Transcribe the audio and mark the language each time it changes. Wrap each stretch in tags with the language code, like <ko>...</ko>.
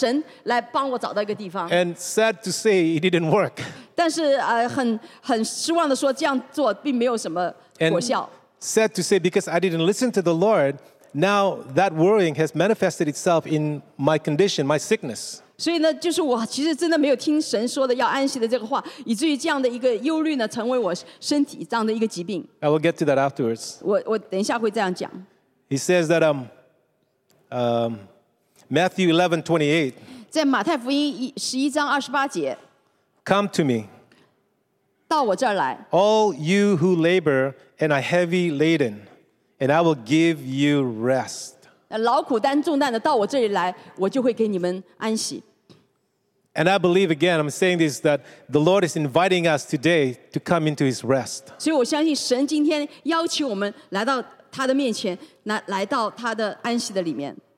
<zh>所以我的这个焦虑,我的忧虑呢,就是好像要试着要神来帮我找到一个地方。</zh> <en>And sad to say, it didn't work.</en> <zh>但是很失望地说,这样做并没有什么果效。</zh> <en>Sad to say, because I didn't listen to the Lord, now that worrying has manifested itself in my condition, my sickness.</en> <zh>所以呢,就是我其实真的没有听神说的要安息的这个话,以至于这样的一个忧虑呢,成为我身体这样的一个疾病。</zh> <en>I will get to that afterwards.</en> <zh>我等一下会这样讲。</zh> <en>He says that Matthew 11:28.</en> <zh>在马太福音11章28节。</zh> <en>Come to me,</en> <zh>到我这儿来,</zh> <en>all you who labor and are heavy laden, and I will give you rest.</en> <zh>劳苦担重担的, 到我这里来, 我就会给你们安息。</zh> <en>And I believe again, I'm saying this, that the Lord is inviting us today to come into his rest.</en> <zh>所以我相信神今天邀请我们来到他的面前, 来到他的安息的里面。</zh>